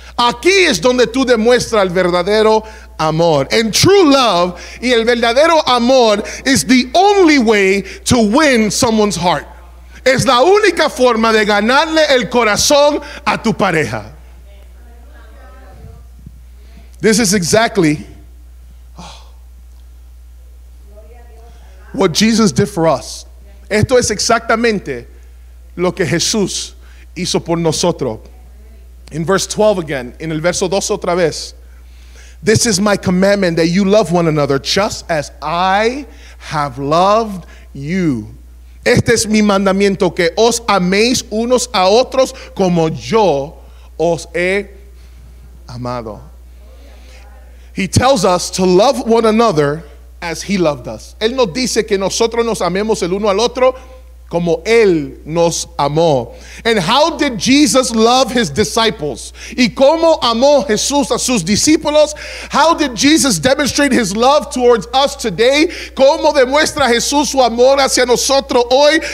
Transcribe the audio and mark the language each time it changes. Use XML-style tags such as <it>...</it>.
<es>Aquí es donde tú demuestras el verdadero amor.</es> <en>And true love,</en> <es>y el verdadero amor,</es> <en>is the only way to win someone's heart.</en> <es>Es la única forma de ganarle el corazón a tu pareja.</es> <en>This is exactly what Jesus did for us.</en> <es>Esto es exactamente lo que Jesús hizo por nosotros.</es> <en>In verse 12 again,</en> <es>en el verso 12 otra vez.</es> <en>This is my commandment, that you love one another just as I have loved you.</en> <es>Este es mi mandamiento, que os améis unos a otros como yo os he amado.</es> <en>He tells us to love one another as he loved us.</en> <es>Él nos dice que nosotros nos amemos el uno al otro como él nos amó.</es> <en>And how did Jesus love his disciples?</en> <es>Y cómo amó Jesús a sus discípulos?</es> <en>How did Jesus demonstrate his love towards us today?</en> <es>¿Cómo demuestra Jesús su amor hacia nosotros hoy?</es>